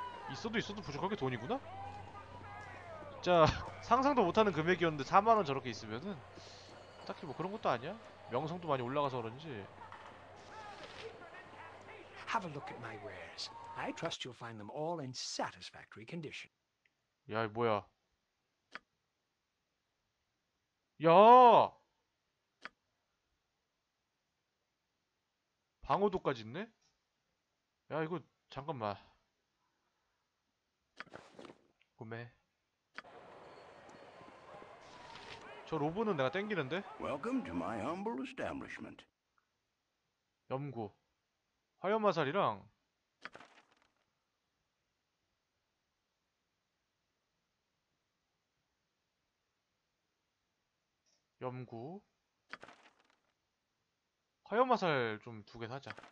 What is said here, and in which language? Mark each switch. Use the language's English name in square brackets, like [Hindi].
[Korean] 있어도 부족한 게 돈이구나? 자, 상상도 못하는 금액이었는데 4만원 저렇게 있으면은 딱히 뭐 그런 것도 아니야? 명성도 많이 올라가서 그런지. [English] Have a look at my wares. I trust you'll find them all in satisfactory condition. [Korean] 야, 뭐야. 야! 방어도까지 있네? 야, 이거 잠깐만. 구매. 저 로봇은 내가 땡기는데? [English] Welcome to my humble establishment. [Korean] 염구 화염화살이랑 염구 화염화살 좀 두 개 사자.